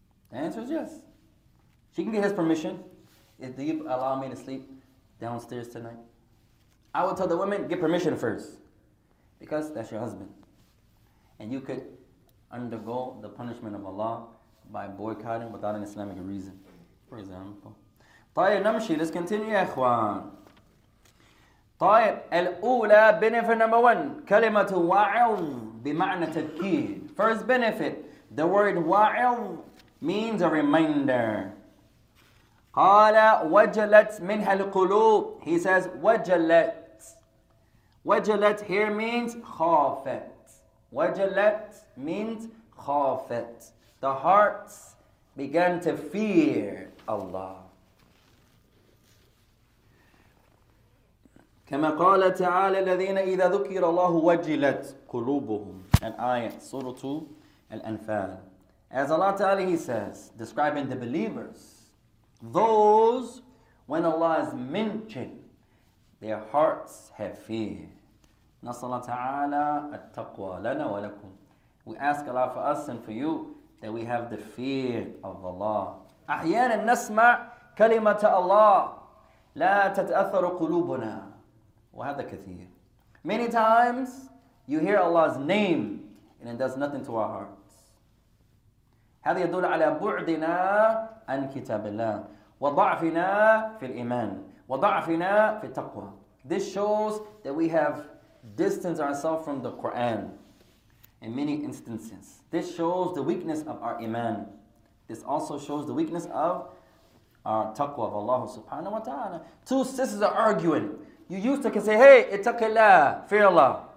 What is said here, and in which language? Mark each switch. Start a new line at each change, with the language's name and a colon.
English: The answer is yes. She can get his permission. Do you allow me to sleep downstairs tonight? I would tell the women, get permission first. Because that's your husband. And you could undergo the punishment of Allah by boycotting without an Islamic reason, for example.
Arabic: طيب نمشي,
English: let's continue,
Arabic: إخوان. طيب الأولى,
English: benefit number one,
Arabic: كلمة واعظ بمعنى تذكير.
English: First benefit, the word واعظ means a reminder.
Arabic: قال وجلت منها القلوب.
English: He says وجلت. وجلت here means خافت. وجلت means خافت. The hearts began to fear Allah.
Arabic: كما قال تعالى الذين إذا ذكر الله وجلت قلوبهم.
English: An ayah, Surah 2, Al-Anfal. As Allah Ta'ala, He says, describing the believers, those, when Allah is mentioned, their hearts have fear.
Arabic: نسأل الله تعالى التقوى لنا ولكم.
English: We ask Allah for us and for you that we have the fear of Allah.
Arabic: أحيانا نسمع كلمة الله لا تتأثر قلوبنا. وهذا كثير.
English: Many times you hear Allah's name and it does nothing to our hearts.
Arabic: هذا يدل على بعدنا عن كتاب الله. وضعفنا في الإيمان وضعفنا في التقوى.
English: This shows that we have distanced ourselves from the Quran in many instances. This shows the weakness of our iman. This also shows the weakness of our taqwa of Allah subhanahu wa ta'ala. Two sisters are arguing. You used to can say, hey, ittaqillah, fear Allah.